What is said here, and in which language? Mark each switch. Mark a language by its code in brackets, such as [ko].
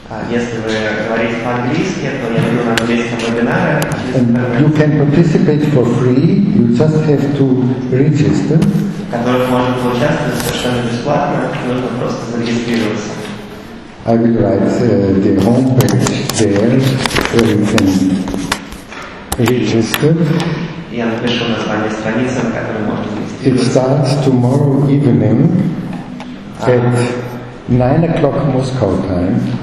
[ru] Если вы говорите по-английски, то я буду на английском вебинаре. [en] You can participate for free. You just have to register. [ru] Который может поучаствовать совершенно бесплатно, нужно просто зарегистрироваться. [en] I will write the homepage there where you can register. [ru] Я напишу название страницы, на которой можно зарегистрироваться. [en] It starts tomorrow evening at 9 o'clock Moscow time.